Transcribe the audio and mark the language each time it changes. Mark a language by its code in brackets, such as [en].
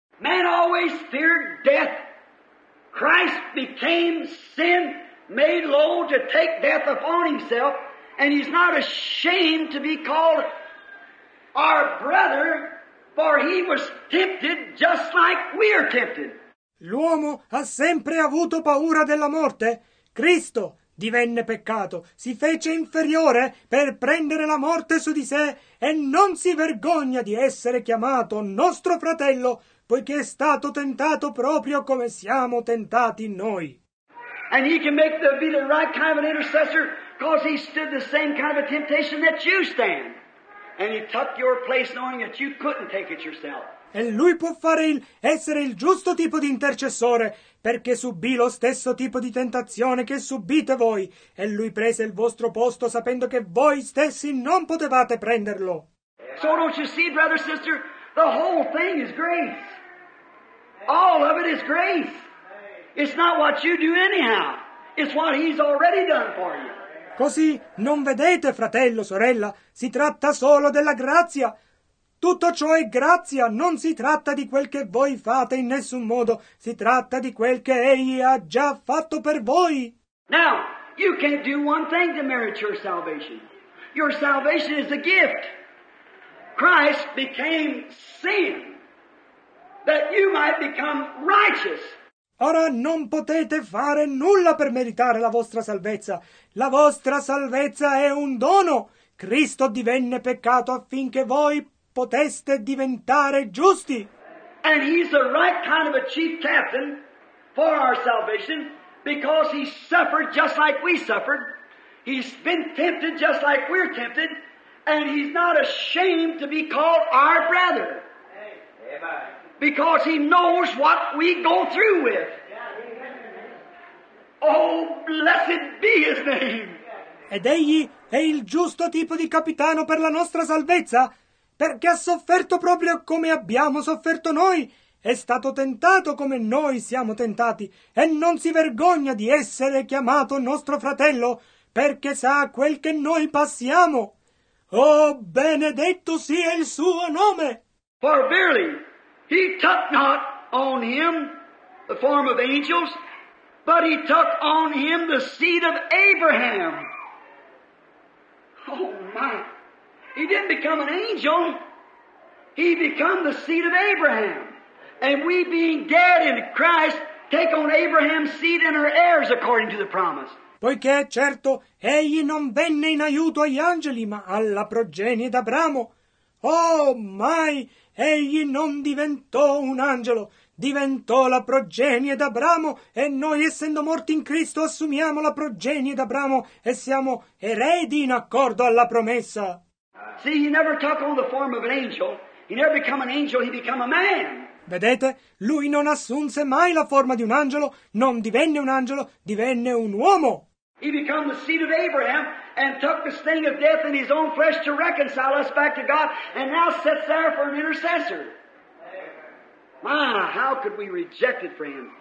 [en] Man always feared death. Christ became sin, made low to take death upon himself, and he's not ashamed to be called our brother, for he was tempted just like we are tempted. [it] L'uomo ha sempre avuto paura della morte. Cristo divenne peccato, si fece inferiore per prendere la morte su di sé e non si vergogna di essere chiamato nostro fratello, poiché è stato tentato proprio come siamo tentati noi. [en] And he can make be the right kind of an intercessor, because he stood the same kind of a temptation that you stand. And he took your place knowing that you couldn't take it yourself. [it] E lui può fare essere il giusto tipo di intercessore, perché subì lo stesso tipo di tentazione che subite voi, e lui prese il vostro posto sapendo che voi stessi non potevate prenderlo. [en] So don't you see, brother, sister, the whole thing is grace. All of it is grace. It's not what you do anyhow. It's what he's already done for you. [it] Così, non vedete, fratello, sorella, si tratta solo della grazia. Tutto ciò è grazia, non si tratta di quel che voi fate in nessun modo, si tratta di quel che egli ha già fatto per voi. [en] Now, you can't do one thing to merit your salvation. Your salvation is a gift. Christ became sin, that you might become righteous. [it] Ora non potete fare nulla per meritare la vostra salvezza. La vostra salvezza è un dono. Cristo divenne peccato affinché voi poteste diventare giusti. [en] And he's the right kind of a chief captain for our salvation, because he suffered just like we suffered. He's been tempted just like we're tempted, and he's not ashamed to be called our brother. Because he knows what we go through with. Oh, blessed be his name. [it] Ed egli è il giusto tipo di capitano per la nostra salvezza, perché ha sofferto proprio come abbiamo sofferto noi, è stato tentato come noi siamo tentati, e non si vergogna di essere chiamato nostro fratello, perché sa quel che noi passiamo. Oh, benedetto sia il suo nome! [en] For verily, he took not on him the form of angels, but he took on him the seed of Abraham. Oh, my! He didn't become an angel. He became the seed of Abraham. And we being dead in Christ take on Abraham's seed and are heirs according to the promise. [it] Poiché, certo, egli non venne in aiuto agli angeli, ma alla progenie d'Abramo. Oh, mai egli non diventò un angelo. Diventò la progenie d'Abramo, e noi, essendo morti in Cristo, assumiamo la progenie d'Abramo e siamo eredi in accordo alla promessa. [en] See, he never took on the form of an angel. He never became an angel, he became a man. [it] Vedete, lui non assunse mai la forma di un angelo, non divenne un angelo, divenne un uomo. [en] He became the seed of Abraham and took the sting of death in his own flesh to reconcile us back to God, and now sits there for an intercessor. My, how could we reject it, friend?